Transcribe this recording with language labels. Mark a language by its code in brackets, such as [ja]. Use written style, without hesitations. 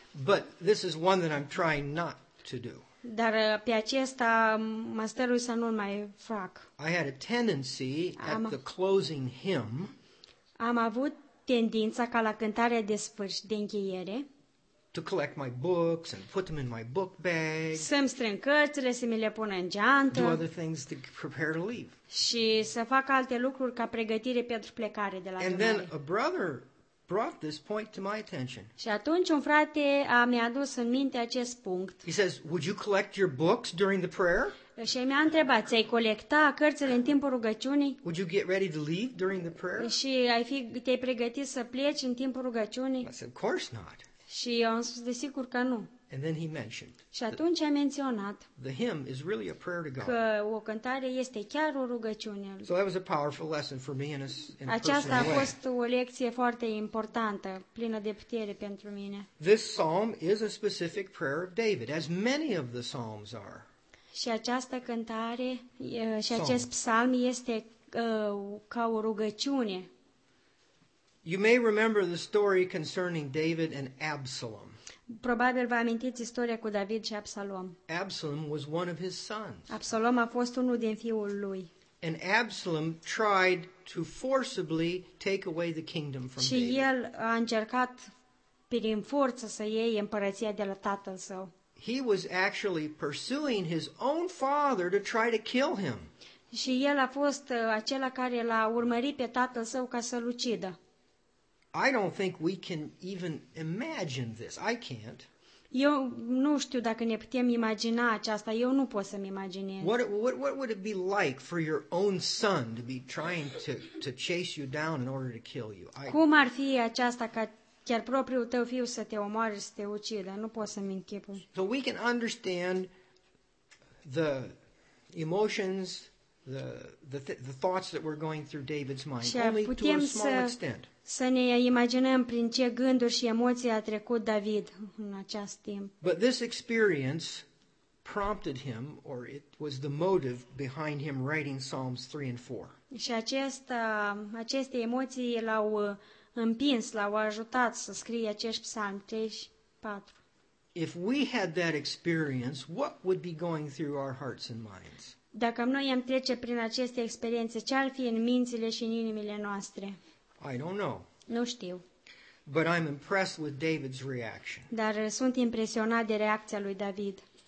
[en] But this is one that I'm trying not to do. [ro] Dar pe acesta masterul să nu-l mai fac. [en] I had a tendency at the closing hymn. [ro] Am avut tendința ca la cântarea de sfârșit, de încheiere, [en] to collect my books and put them in my book bag. [ro] Să-mi strâng cărțile, să mi le pun în geantă. [en] Do other things to prepare to leave. [ro] Și să fac alte lucruri ca pregătire pentru plecare de la [en] adunare. And then a brother brought this point to my attention. [ro] Și atunci un frate mi-a adus în minte acest punct. [en] He says, "Would you collect your books during the prayer?" [ro] Și mi-a întrebat, ți-ai colecta cărțile în timpul rugăciunii? [en] Would you get ready to leave during the prayer? [ro] Și ai fi, te-ai pregătit să pleci în timpul rugăciunii? [en] I said, of course not. [ro] Și eu am spus, desigur că nu. [en] And then he mentioned. [ro] Și atunci a menționat. [en] The hymn is really a prayer to God. [ro] Că o cântare este chiar o rugăciune. [en] So that was a powerful lesson for me in a personal way. [ro] Aceasta a fost o lecție foarte importantă, plină de putere pentru mine. [en] This psalm is a specific prayer of David, as many of the psalms are. [ro] Și această cântare și acest psalm este ca o rugăciune. [en] You may remember the story concerning David and Absalom. [ro] Probabil vă amintiți istoria cu David și Absalom. [en] Absalom was one of his sons. [ro] Absalom a fost unul din fiul lui. [en] And Absalom tried to forcibly take away the kingdom from David. [ro] Și el a încercat prin forță să iei împărăția de la tatăl său. [en] He was actually pursuing his own father to try to kill him. [ro] Și el a fost acela care l-a urmărit pe tatăl său ca să-l ucidă. [en] I don't think we can even imagine this. I can't. [ro] Eu nu știu dacă ne putem imagina aceasta. Eu nu pot să-mi imaginez. [en] What would it be like for your own son to be trying to chase you down in order to kill you? [ro] Cum ar fi aceasta ca chiar propriul tău fiu să te omoare, să te ucidă? Nu pot să-mi închipu. [en] So we can understand the emotions, the thoughts that were going through David's mind, only to a small extent. [ro] Să ne imaginăm prin ce gânduri și emoții a trecut David în acest timp. [en] But this experience prompted him, or it was the motive behind him writing Psalms 3 and 4. [ro] Și aceste emoții l-au împins, l-au ajutat să scrie acești psalmi 3 și 4. [en] If we had that experience, what would be going through our hearts and minds? [ro] Dacă noi am trece prin aceste experiențe, ce ar fi în mințile și în inimile noastre? [en] I don't know. [ro] Nu știu. [en] But I'm impressed with David's reaction. [ro] Dar sunt impresionat de reacția lui David.